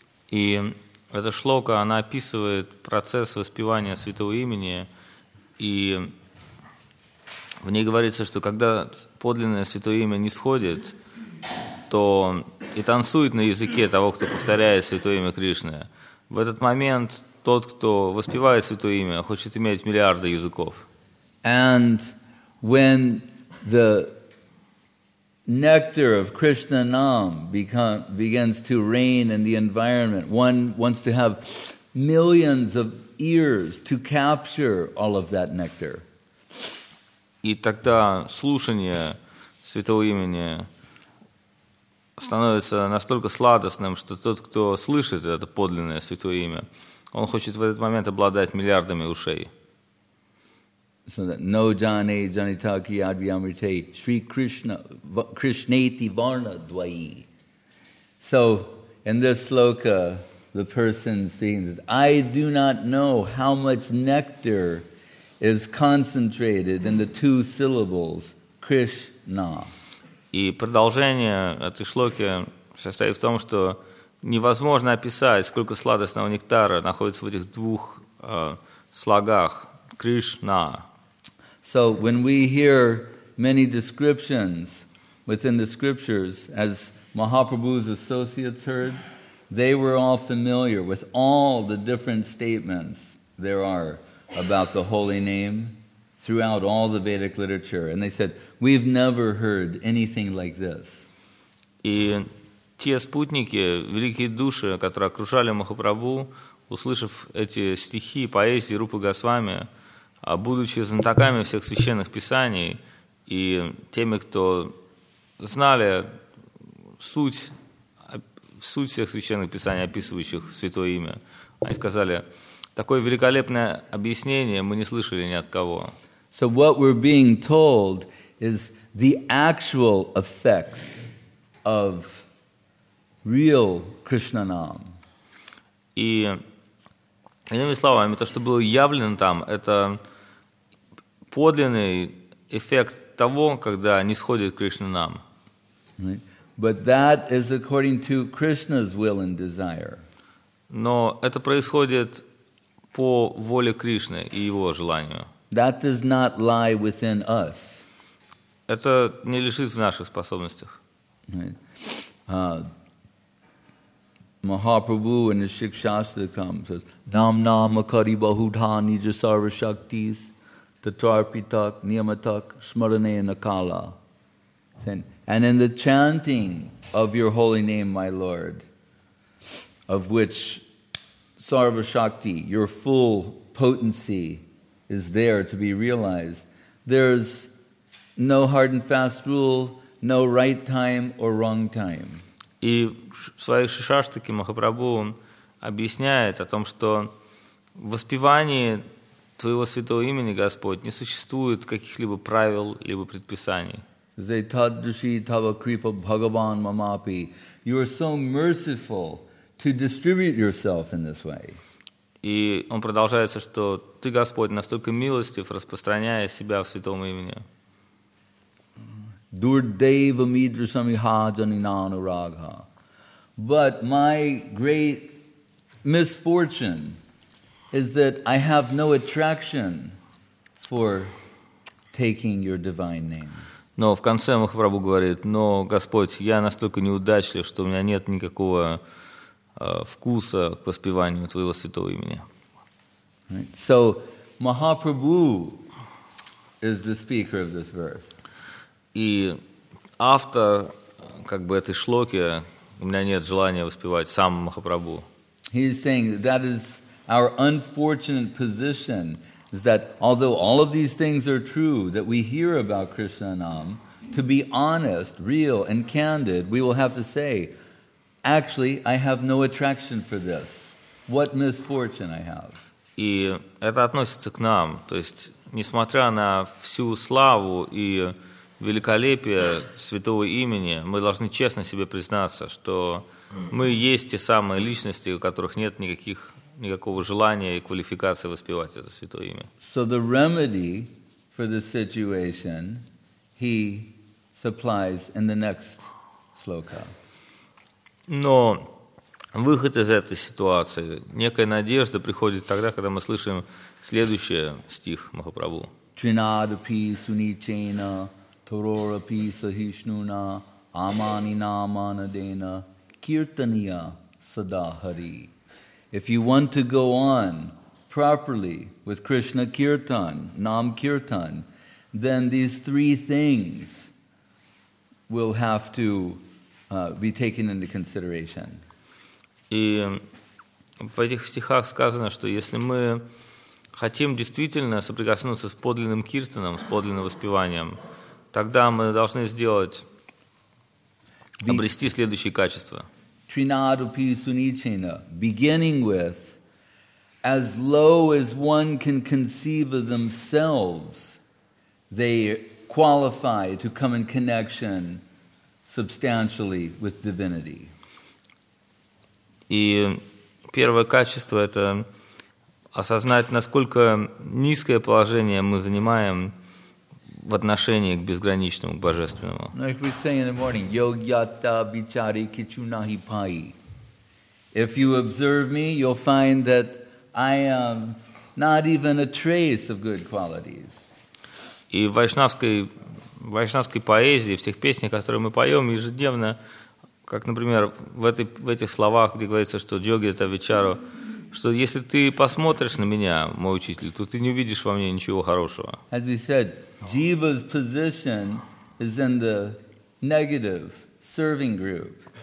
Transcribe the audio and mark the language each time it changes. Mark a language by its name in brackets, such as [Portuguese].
[Russian] И эта шлока, она описывает процесс воспевания святого имени, и в ней говорится, что когда подлинное святое имя нисходит, то и танцует на языке того, кто повторяет святое имя Кришны. В этот момент тот, кто воспевает святое имя, хочет иметь миллиарды языков. [English] And when the nectar of Krishna Nam begins to rain in the environment, one wants to have millions of ears to capture all of that nectar. [Russian] И тогда слушание святого имени становится настолько сладостным, что тот, кто слышит это подлинное святое имя, он хочет в этот момент обладать миллиардами ушей. [English] So that [Sanskrit] no jane janita kiyadvi amrite Shri Krishna Krishneti varna dvayi. [English] So in this sloka, the person speaking, I do not know how much nectar is concentrated in the two syllables Krishna. [Russian] И продолжение этой шлоки состоит в том, что невозможно описать, сколько сладостного нектара находится в этих двух слогах Кришна. [English] So when we hear many descriptions within the scriptures, as Mahaprabhu's associates heard, they were all familiar with all the different statements there are about the holy name throughout all the Vedic literature. And they said, we've never heard anything like this. [Russian] И те спутники, великие души, которые окружали Махапрабху, услышав эти стихи, поэзии Рупы Госвами, а будучи знатоками всех священных писаний и теми, кто знали суть всех священных писаний, описывающих святое имя, они сказали, такое великолепное объяснение мы не слышали ни от кого. [English] So what we're being told is the actual effects of real Krishna Nam. [Russian] И иными словами, то, что было явлено там, это подлинный эффект того, когда нисходит Кришна нам. [English] But that is according to Krishna's will and desire. [Russian] Но это происходит по воле Кришны и его желанию. [English] That does not lie within us. [Russian] Это не лежит в наших способностях. [English] Mahaprabhu in his Shikshastakam says, [Sanskrit] Nam nam akari bahudha nija sarva shaktis. Tatarpitak, niyamatak, smarane nakala. [English] And in the chanting of your holy name, my Lord, of which Sarva Shakti, your full potency, is there to be realized, there's no hard and fast rule, no right time or wrong time. [Russian] И в своей Шишаштаке Махапрабху объясняет о том, что воспевание Твоего святого имени, Господь, не существует каких-либо правил либо предписаний. [Sanskrit] Зе таддуши тава крипа бхагаван мамапи. [English] You are so merciful to distribute yourself in this way. [Russian] И он продолжается, что ты, Господь, настолько милостив, распространяя себя в святом имени. [Sanskrit] Дурдева мидрасами хаджанинану рагха. [English] But my great misfortune is that I have no attraction for taking your divine name. [Russian] Но в конце Махапрабху говорит, но, Господь, я настолько неудачлив, что у меня нет никакого вкуса к воспеванию Твоего святого имени. [English] Right. So, Mahaprabhu is the speaker of this verse. [Russian] И автор как бы этой шлоки, у меня нет желания воспевать сам Махапрабху. [English] He is saying that is our unfortunate position, is that although all of these things are true that we hear about Krishna Nam, to be honest, real and candid, we will have to say, actually, I have no attraction for this. What misfortune I have. [Russian] И это относится к нам, то есть несмотря на всю славу и великолепие святого имени, мы должны честно себе признаться, что мы есть те самые личности, у которых нет никакого желания и квалификации воспевать это святое имя. [English] So the remedy for the situation he supplies in the next sloka. [Russian] Но выход из этой ситуации, некая надежда приходит тогда, когда мы слышим следующий стих Махапрабху. [Sanskrit] Тринадапи суничейна торорапи сахишнуна амани наманадена киртания садахари. [English] If you want to go on properly with Krishna kirtan, nam kirtan, then these three things will have to be taken into consideration. [Russian] И в этих стихах сказано, что если мы хотим действительно соприкоснуться с подлинным киртаном, с подлинным воспеванием, тогда мы должны обрести следующие качества. [Sanskrit] Trinadupi Sunichena, [English] beginning with, as low as one can conceive of themselves, they qualify to come in connection substantially with divinity. [Russian] И первое качество – это осознать, насколько низкое положение мы занимаем в отношении к безграничному, к божественному. [English] Like we say in the morning, [Sanskrit] yogyata bichari kichunahi pai. [English] If you observe me, you'll find that I am not even a trace of good qualities. [Russian] И в вайшнавской поэзии, в тех песнях, которые мы поем ежедневно, как, например, в этих словах, где говорится, что [Sanskrit] йогита вичару, [Russian] что если ты посмотришь на меня, мой учитель, то ты не увидишь во мне ничего хорошего. [English] As we said, jiva's position is in the negative serving group.